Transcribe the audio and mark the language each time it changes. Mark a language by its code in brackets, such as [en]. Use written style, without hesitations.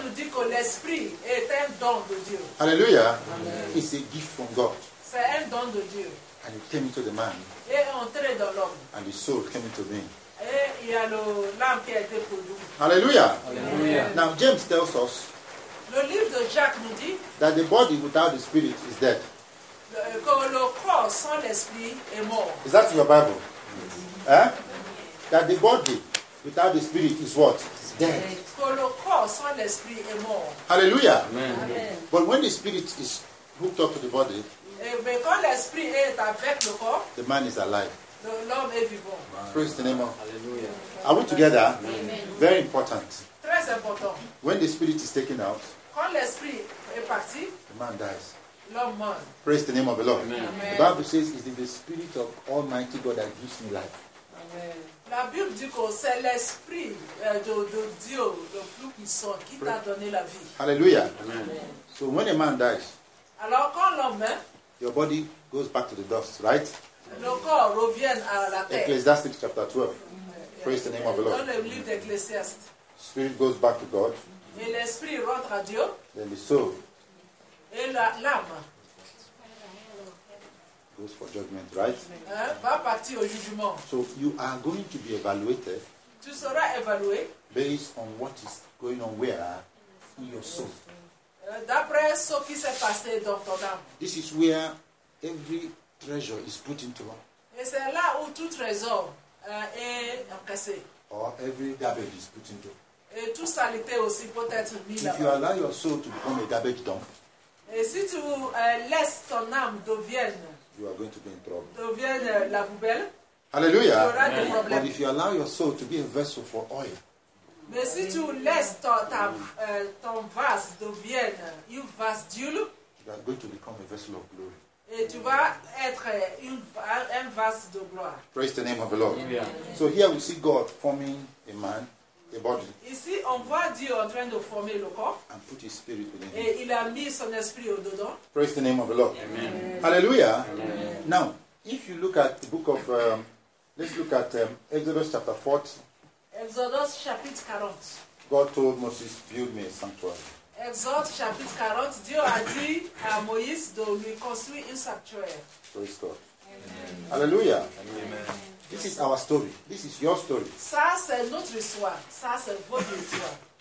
[fr] Nous dit que l'esprit est un don de Dieu. [en] Hallelujah. Amen. It's a gift from God. [fr] C'est un don de Dieu. [en] And it came into the man. [fr] Et entré dans l'homme. [en] And the soul came into being. [fr] Et il y a l'âme qui a été produite. [en] Hallelujah. Hallelujah. Now James tells us. [fr] Le livre de Jacques nous dit [en] that the body without the spirit is dead. [fr] Que le corps sans l'esprit est mort. [en] Is that your Bible? Yes. Eh? That the body without the spirit is what? It's dead. [fr] Que le corps sans l'esprit est mort. [en] Hallelujah. Amen. Amen. But when the spirit is hooked up to the body, [fr] mais quand l'esprit est avec le corps, [en] the man is alive. [fr] L'homme est vivant. [en] Praise the name of. Hallelujah. Are we together? Amen. Very important. [fr] Très important. [en] When the spirit is taken out, [fr] quand l'esprit est parti, [en] the man dies. [fr] L'homme meurt. [en] Praise the name of the Lord. Amen. The Bible says it is the spirit of Almighty God that gives me life. Amen. [fr] La Bible dit que c'est l'esprit de Dieu, le plus puissant, qui t'a donné la vie. [en] Hallelujah. Amen. So when a man dies, [fr] alors quand l'homme meurt, [en] your body goes back to the dust, right? [fr] Le corps revient à la terre. [en] Ecclesiastes chapter 12. Amen. Praise the name of the Lord. [fr] Dans le livre d'Ecclesiastes. [en] Spirit goes back to God. [fr] Et l'esprit rentre à Dieu. [en] Then the soul. [fr] Et l'âme. [en] Goes for judgment, right? [fr] Va partir au jugement. [en] So you are going to be evaluated. [fr] Tu seras évalué. [en] Based on what is going on where in your soul. [fr] D'après ce qui s'est passé dans ton âme. [en] This is where every treasure is put into. [fr] Et c'est là où tout trésor est encaissé. [en] Or every garbage is put into. [fr] Et toute saleté aussi peut être mise. [en] If you allow your soul to become a garbage dump, [fr] et si tu laisses ton âme devienne, [en] you are going to be in trouble. [fr] Devienne la poubelle. [en] Hallelujah. [fr] Tu auras des problèmes. [en] But if you allow your soul to be a vessel for oil, [fr] mais si tu laisses ton vase devienne un vase d'huile, [en] you are going to become a vessel of glory. [fr] Et tu vas être un vase de gloire. [en] Praise the name of the Lord. Yeah. So here we see God forming a man, a body. [fr] Ici, on voit Dieu en train de former le corps. [en] And put his spirit within [fr] et [en] him. [fr] Et il a mis son esprit au-dedans. [en] Praise the name of the Lord. Amen. Hallelujah. Amen. Now, if you look at the book of, let's look at Exodus chapter 40. [fr] Exodus chapitre 40. [en] God told Moses, build me a sanctuary. [fr] Exode chapitre 40, Dieu a dit à Moïse de lui construire un sanctuaire. [en] Praise God. Amen. Hallelujah. Amen. This is our story. This is your story. [fr] Ça, c'est notre histoire. Ça, c'est votre histoire.